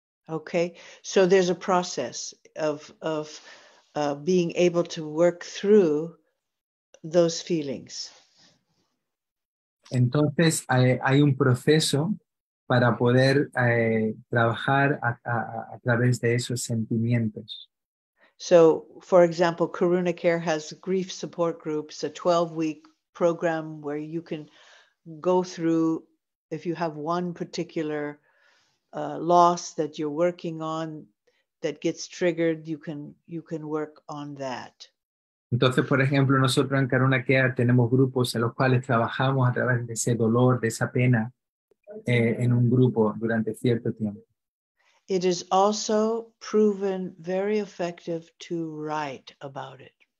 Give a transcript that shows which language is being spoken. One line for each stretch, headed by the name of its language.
English: Okay, so there's a process of being able to work through those feelings.
Spanish: Entonces hay un proceso para poder trabajar a través de esos sentimientos.
English: So, for example, Karuna Care has grief support groups, a 12-week program where you can go through, if you have one particular loss that you're working on that gets triggered, you can work on that.
Spanish: Entonces, por ejemplo, nosotros en Karuna Care tenemos grupos en los cuales trabajamos a través de ese dolor, de esa pena, en un grupo durante cierto tiempo.
English: It is also proven very effective to write about it.